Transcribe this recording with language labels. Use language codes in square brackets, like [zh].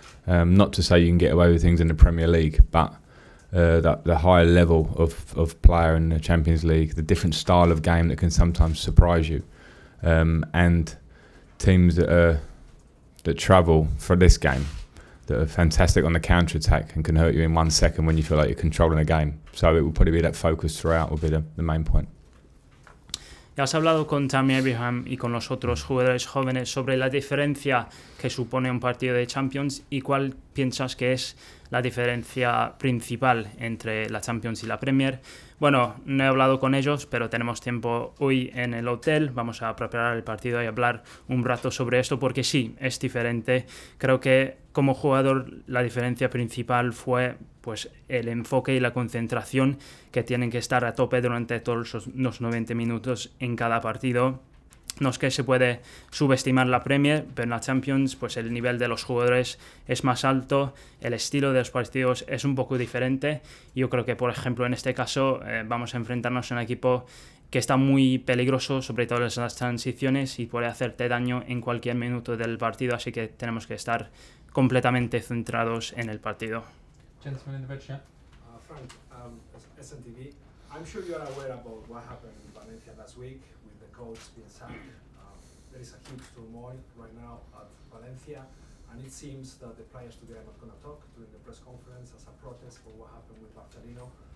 [en] Not to say you can get away with things in the Premier League, but the higher level of player in the Champions League, the different style of game that can sometimes surprise you, and teams that travel for this game, that are fantastic on the counter attack and can hurt you in 1 second when you feel like you're controlling a game. So it will probably be that focus throughout will be the main point. [es] Ya has hablado con Tammy Abraham y con los otros jugadores jóvenes sobre la diferencia que supone un partido de Champions y cuál piensas que es la diferencia principal entre la Champions y la Premier. Bueno, no he hablado con ellos, pero tenemos tiempo hoy en el hotel. Vamos a preparar el partido y hablar un rato sobre esto, porque sí, es diferente. Creo que como jugador la diferencia principal fue pues el enfoque y la concentración que tienen que estar a tope durante todos los 90 minutos en cada partido. No es que se puede subestimar la Premier, pero en la Champions pues el nivel de los jugadores es más alto, el estilo de los partidos es un poco diferente. Yo creo que, por ejemplo, en este caso vamos a enfrentarnos a un equipo que está muy peligroso, sobre todo en las transiciones, y puede hacerte daño en cualquier minuto del partido, así que tenemos que estar completamente centrados en el partido. [en] Gentlemen in the red shirt. Frank, SNTV. I'm sure you are aware about what happened in Valencia last week with the coach being sacked. There is a huge turmoil right now at Valencia, and it seems that the players today are not going to talk during the press conference as a protest for what happened with Bartolino.